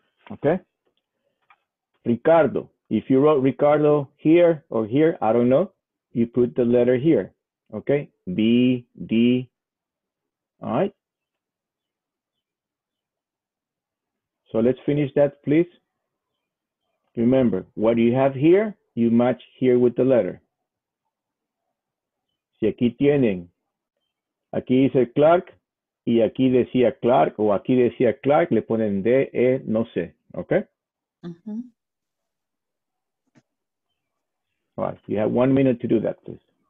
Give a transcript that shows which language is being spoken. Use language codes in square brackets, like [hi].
[en] Okay. Ricardo. If you wrote Ricardo here or here, I don't know, you put the letter here. Okay. B, D. All right. So let's finish that, please. Remember, what you have here, you match here with the letter. [es] Si aquí tienen, aquí dice Clark, y aquí decía Clark, o aquí decía Clark, le ponen D, E, no sé, ¿ok? Uh-huh. [en] All right, you have 1 minute to do that, please.